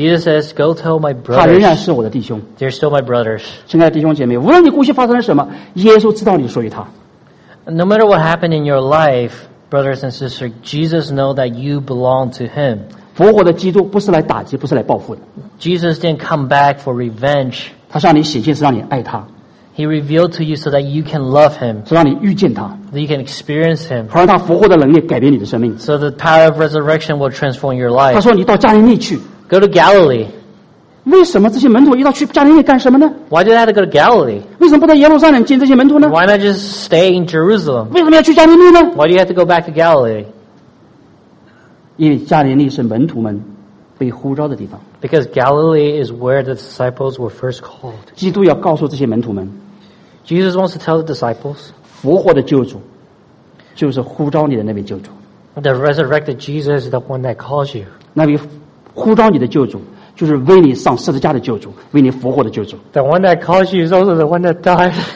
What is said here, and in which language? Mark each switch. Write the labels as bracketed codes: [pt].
[en] Jesus says, "Go tell my brothers." [zh] 他仍然是我的弟兄。 [en] They're still my brothers. [zh] 亲爱的弟兄姐妹，无论你过去发生了什么，耶稣知道你，所以他。 [en] No matter what happened in your life, brothers and sisters, Jesus knows that you belong to Him. [zh] 复活的基督不是来打击，不是来报复的。 [en] Jesus didn't come back for revenge. [zh] 他向你显现是让你爱他。 [en] He revealed to you so that you can love Him. [zh] 是让你遇见他。 [en] That you can experience Him. [zh] 好让他复活的能力改变你的生命。 [en] So the power of resurrection will transform your life. [zh] 他说你到加利利去。 [en] Go to Galilee. [zh] 为什么这些门徒一到去加利利干什么呢？ [en] Why do they have to go to Galilee? [zh] 为什么不在耶路撒冷见这些门徒呢？ [en] Why not just stay in Jerusalem? [zh] 为什么要去加利利呢？ [en] Why do you have to go back to Galilee? [zh] 因为加利利是门徒们被呼召的地方。 [en] Because Galilee is where the disciples were first called. [zh] 基督要告诉这些门徒们。 [en] Jesus wants to tell the disciples, [zh] 复活的救主就是呼召你的那位救主。 [en] The resurrected Jesus is the one that calls you. [zh] 那位呼召你的救主就是为你上十字架的救主，为你复活的救主。 [en] The one that calls you is also the one that died.